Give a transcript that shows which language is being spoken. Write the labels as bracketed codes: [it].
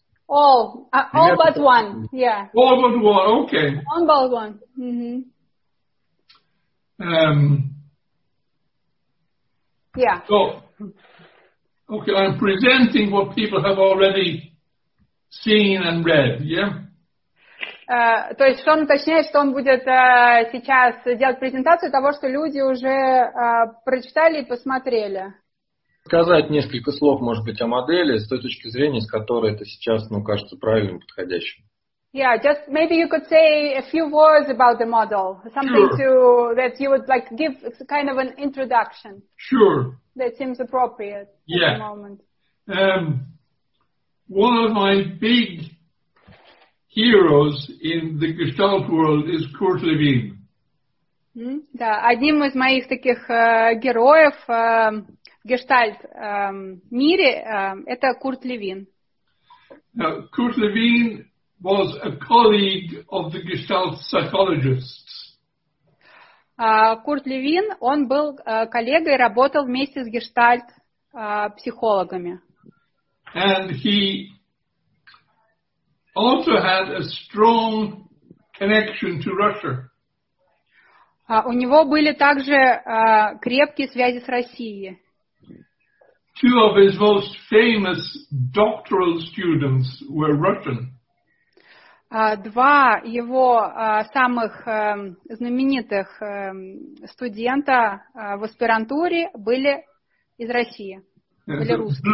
[en] All but one, yeah. All but one, okay. All but one, mm-hmm. Yeah. So, okay, I'm presenting what people have already seen and read, yeah? [ru] То есть Шон уточняет, что он будет сейчас делать презентацию того, что люди уже прочитали и посмотрели. Сказать несколько слов, может быть, о модели с той точки зрения, с которой это сейчас, ну, кажется правильным, подходящим. [en] Yeah, just maybe you could say a few words about the model. Something sure. to that you would like give kind of an introduction. Sure. That seems appropriate yeah. at the moment. One of my big heroes in the Gestalt world is Kurt Lewin. Mm-hmm. [ru] Да, одним из моих таких героев в Гештальт мире это Курт Левин. [en] Now, Kurt Lewin was a colleague of the Gestalt psychologists. [ru] Курт Левин, он был коллегой, работал вместе с Гештальт психологами. [en] And he also had a strong connection to Russia. [ru] У него были также крепкие связи с Россией. [en] Two of his most famous doctoral students were Russian. [ru] Два его самых знаменитых студента в аспирантуре были из России, были русские.